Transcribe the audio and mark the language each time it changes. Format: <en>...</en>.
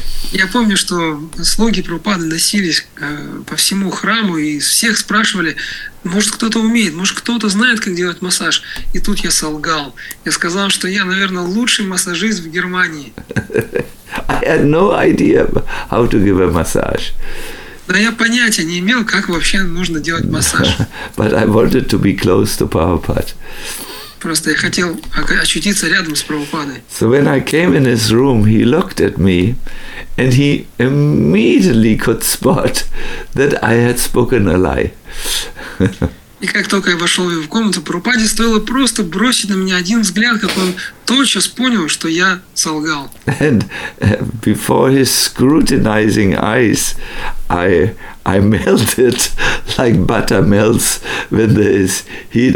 <ru>Я помню, что слуги Прабхупады носились по всему храму и всех спрашивали, может, кто-то умеет, может, кто-то знает, как делать массаж. И тут я солгал. Я сказал, что я, наверное, лучший массажист в Германии.</ru> <en>I had no idea how to give a massage.</en> <ru>Но я понятия не имел, как вообще нужно делать массаж.</ru> <en>But I wanted to be close to Prabhupada.</en> <ru>Просто я хотел очутиться рядом с Прабхупадой.</ru> <en>So when I came in his room, he looked at me, and he immediately could spot that I had spoken a lie.</en> <ru>И как только я вошел в комнату, Прабхупаде стоило просто бросить на меня один взгляд, как он тотчас понял, что я солгал.</ru> <en>And before his scrutinizing eyes, I melted like butter melts when there is heat.</en>